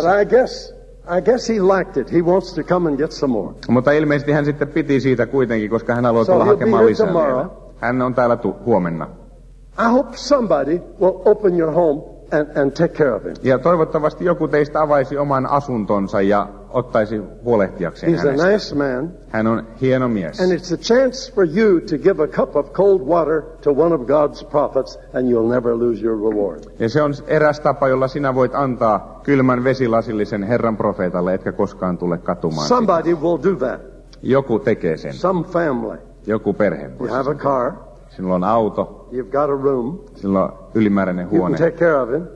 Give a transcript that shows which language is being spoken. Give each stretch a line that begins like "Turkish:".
English: But I guess he liked it. He wants to come and get some more.
Finnish: Mutta ilmeisesti hän sitten piti siitä kuitenkin, koska hän haluaa tulla hakemaan lisää. Hän on täällä huomenna.
English: I hope somebody will open your home and take care of him.
Finnish: Ja toivottavasti joku teistä avaisi oman asuntonsa ja ottaisi huolehtiakseen hänestä.
English: He's a nice man.
Finnish: Hän on hieno mies.
English: And it's a chance for you to give a cup of cold water to one of God's prophets and you'll never lose your reward.
Finnish: Ja se on eräs tapa, jolla sinä voit antaa kylmän vesilasillisen Herran profeetalle, etkä koskaan tule katumaan.
English: Somebody will do that.
Finnish: Joku tekee sen.
English: Some family.
Finnish: Joku perhe.
English: You have a car.
Finnish: Sinulla on auto.
English: You've got a room.
Finnish: Sinulla on ylimääräinen huone.
English: You can take care of him.